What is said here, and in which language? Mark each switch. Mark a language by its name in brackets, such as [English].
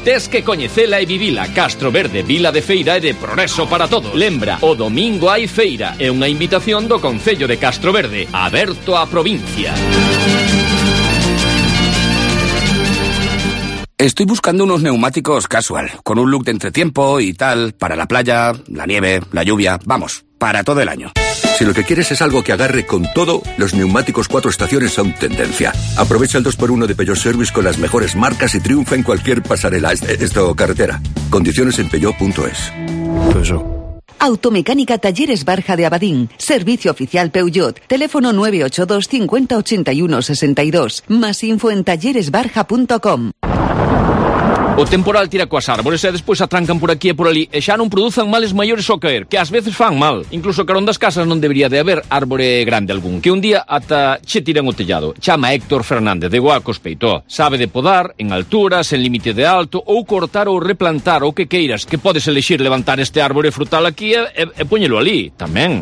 [Galician] Tes que coñecela e vivila. Castro Verde, vila de feira e de progreso para todos. Lembra, o domingo hai feira e unha invitación do Concello de Castro Verde, aberto á provincia. [Spanish] Estoy buscando unos neumáticos casual, con un look de entretiempo y tal, para la playa, la nieve, la lluvia, vamos, para todo el año. Si lo que quieres es algo que agarre con todo, los neumáticos cuatro estaciones son tendencia. Aprovecha el 2x1 de Peugeot Service con las mejores marcas y triunfa en cualquier pasarela, carretera. Condiciones en Peugeot.es. Peugeot. Automecánica Talleres Barja de Abadín, servicio oficial Peugeot, teléfono 982 50 81 62, más info en talleresbarja.com. [Galician] O temporal tira coas árbores e despois atrancan por aquí e por ali e xa non produzan males maiores ao caer, que ás veces fan mal. Incluso carón das casas non debería de haber árbore grande algún, que un día ata che tiran o tellado. Chama Héctor Fernández de Guacos Peitó. Sabe de podar, en alturas, en límite de alto, ou cortar ou replantar o que queiras, que podes elexir levantar este árbore frutal aquí e poñelo ali. Tamén.